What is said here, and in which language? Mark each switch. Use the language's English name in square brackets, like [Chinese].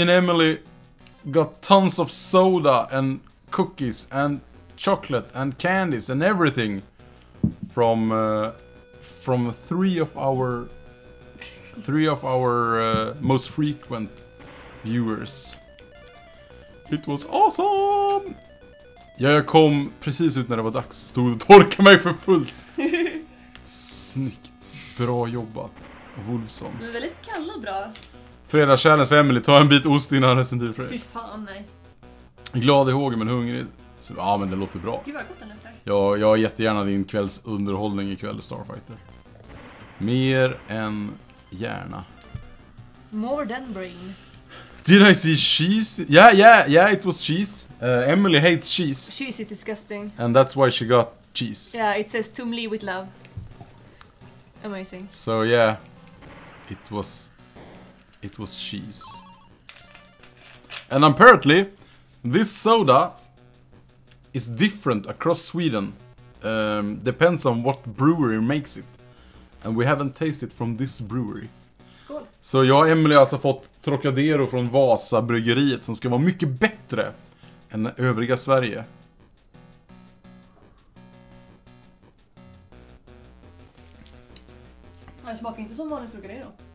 [English] and Emily got tons of soda and cookies and chocolate and candies and everything from three of our three of our most frequent viewers. It was awesome! [Swedish] Ja, jag kom precis ut när det var dags. Stod och torkade mig för fullt. Snyggt. Bra jobbat, Wolfson. Du är väldigt kall och bra. Fredag challenge för Emily. Ta en bit ost innan resten blir fri. Fy fan, nej. Glad i hågen men hungrig. Så, ja, men det låter bra. Gud vad gott den luktar. Jag har jättegärna din kvälls underhållning ikväll, Starfighter. Mer än gärna. [English] More than brain. Did I see cheese? Yeah, it was cheese. Emily hates cheese. Cheese is disgusting. And that's why she got cheese. Yeah, it says Tom Lee with love. Amazing. So yeah, it was cheese. And apparently, this soda is different across Sweden. Depends on what brewery makes it. And we haven't tasted from this brewery. [Swedish] Så jag och Emily har alltså fått Trocadero från Vasa bryggeriet som ska vara mycket bättre än övriga Sverige. Det smakar inte som vanligt Trocadero.